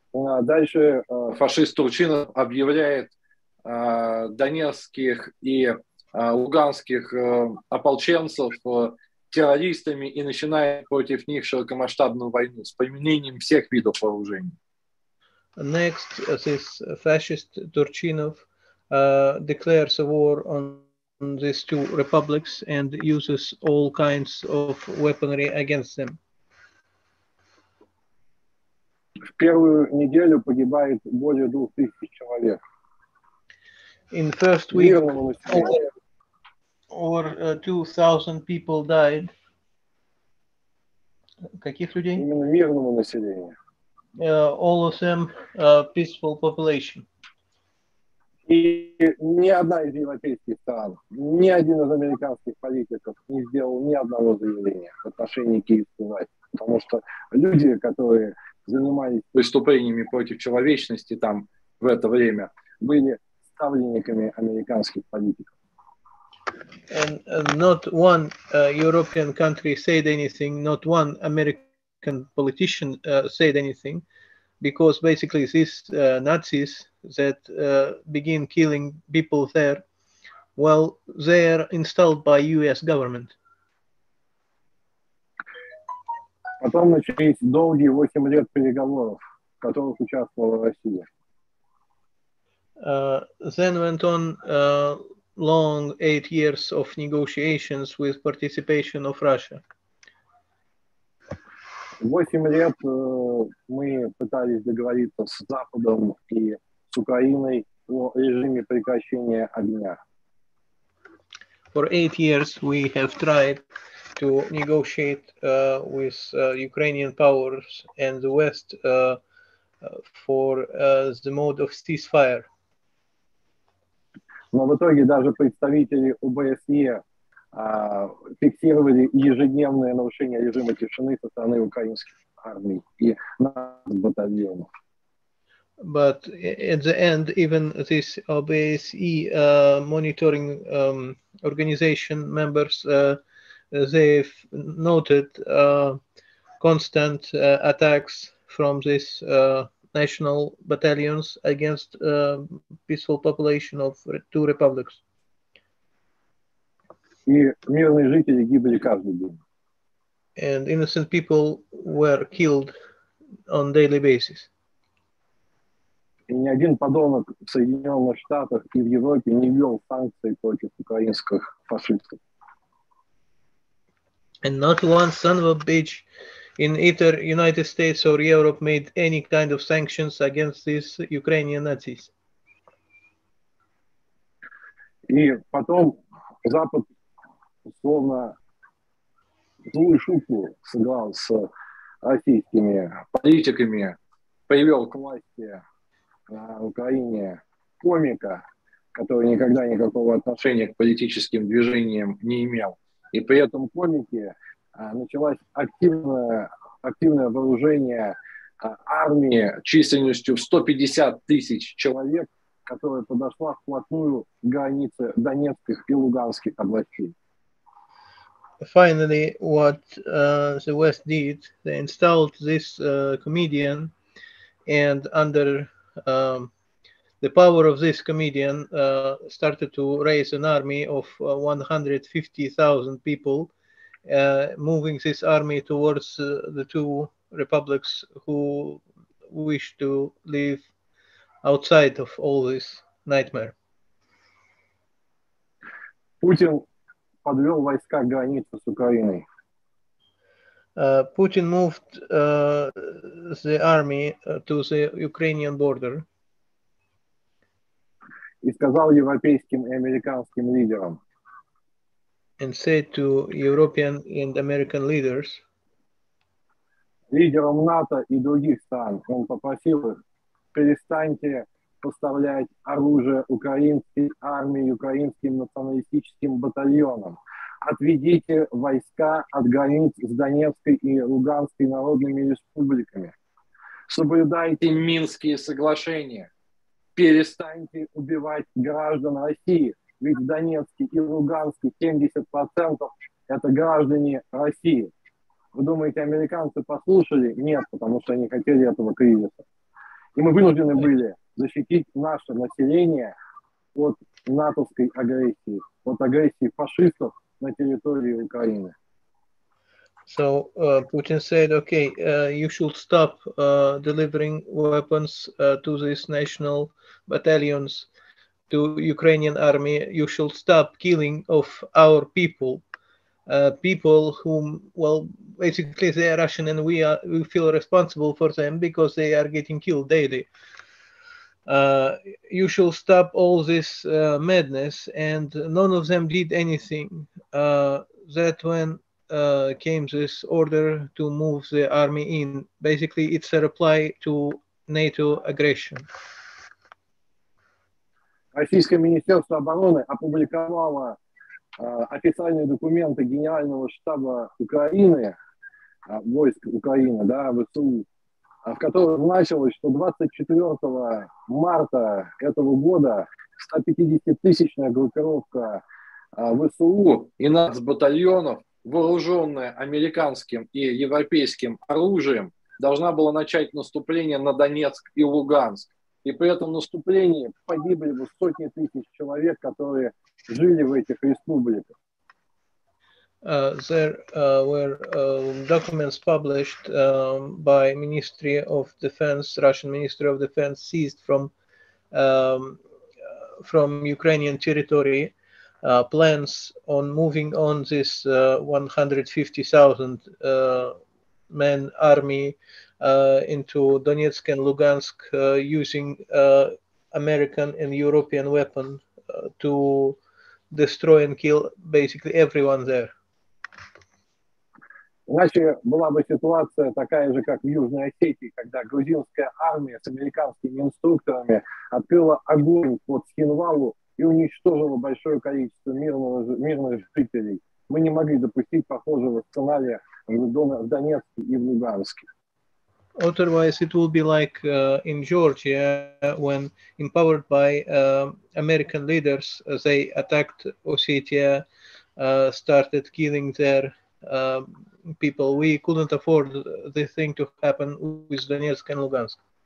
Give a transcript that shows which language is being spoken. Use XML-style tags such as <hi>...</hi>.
<ru>Дальше фашист Турчинов объявляет донецких и луганских ополченцев террористами и начинает против них широкомасштабную войну с применением всех видов вооружений.</ru> <en>Next, this fascist Turchinov declares a war on these two republics and uses all kinds of weaponry against them.</en> <ru>В первую неделю погибает более 2000 человек.</ru> <en>In first week, over 2000 people died.</en> <ru>Каких людей? Именно мирного населения.</ru> <en>All of them peaceful population.</en> <ru>И ни одна из европейских стран, ни один из американских политиков не сделал ни одного заявления в отношении киевской власти, потому что люди, которые занимались преступлениями против человечности там в это время, были ставленниками американских политиков.</ru> <en>And not one European country said anything, not one American politician said anything, because basically these Nazis that begin killing people there, well, they are installed by US government.</en> <ru>Потом начались долгие 8 лет переговоров, в которых участвовала Россия.</ru> <en>Then went on long 8 years of negotiations with participation of Russia.</en> <ru>8 лет мы пытались договориться с Западом и с Украиной о режиме прекращения огня.</ru> <en>For 8 years we have tried to negotiate with Ukrainian powers and the West for the mode of ceasefire.</en> <ru>Но в итоге даже представители ОБСЕ фиксировали ежедневные нарушения режима тишины со стороны украинской армии и наших батальонов.</ru> <en>But at the end, even this OBSE monitoring organization members, they've noted constant attacks from these national battalions against peaceful population of two republics.</en> <ru>И мирные жители гибли каждый день.</ru> <en>And innocent people were killed on a daily basis.</en> <ru>И ни один подонок в Соединенных Штатах и в Европе не ввел санкции против украинских фашистов.</ru> <en>And not one son of a bitch in either United States or Europe made any kind of sanctions against these Ukrainian Nazis.</en> <ru>И потом Запад условно злую шутку сыграл с российскими политиками, привел к власти на Украине комика, который никогда никакого отношения к политическим движениям не имел. И при этом комике началось активное вооружение армии численностью в 150 тысяч человек, которая подошла вплотную к границе Донецких и Луганских областей.</ru> <en>Finally, what the West did, they installed this comedian, and under the power of this comedian started to raise an army of 150,000 people, moving this army towards the two republics who wish to live outside of all this nightmare.</en> <ru>Putin подвел войска к границе с Украиной.</ru> <en>Putin moved the army to the Ukrainian border.</en> <ru>И сказал европейским и американским лидерам.</ru> <en>And said to European and American leaders.</en> <ru>Лидерам НАТО и других стран, он попросил их, перестаньте поставлять оружие украинской армии, украинским националистическим батальонам. Отведите войска от границ с Донецкой и Луганской народными республиками. Соблюдайте Минские соглашения. Перестаньте убивать граждан России, ведь в Донецке и Луганске 70% это граждане России. Вы думаете, американцы послушали? Нет, потому что они хотели этого кризиса. И мы вынуждены были защитить наше население от натовской агрессии, от агрессии фашистов на территории Украины.</ru> <en>So Putin said, okay, you should stop delivering weapons to these national battalions, to Ukrainian army. You should stop killing of our people, people whom, well, basically they are Russian and we feel responsible for them because they are getting killed daily. You should stop all this madness, and none of them did anything. That when came this order to move the army in, basically it's a reply to NATO aggression.</en> <ru>Российское министерство обороны опубликовало официальные документы Генерального штаба Украины, войск Украины, да, ВСУ, в которой значилось, что 24 марта этого года 150-тысячная группировка ВСУ и нацбатальонов, вооруженная американским и европейским оружием, должна была начать наступление на Донецк и Луганск. И при этом наступлении погибли бы сотни тысяч человек, которые жили в этих республиках.</ru> <en>There were documents published by Ministry of Defense, Russian Ministry of Defense, seized from Ukrainian territory, plans on moving on this 150,000 men army into Donetsk and Lugansk using American and European weapon to destroy and kill basically everyone there.</en> <ru>Иначе была бы ситуация такая же, как в Южной Осетии, когда грузинская армия с американскими инструкторами открыла огонь под Схинвалу и уничтожила большое количество мирных жителей. Мы не могли допустить похожего сценария в Донецке и в Луганске.</ru> <en>Otherwise, it will be like in Georgia, when empowered by American leaders, they attacked Ossetia, started killing their people. We couldn't afford this thing to happen with Donetsk and Lugansk.</en>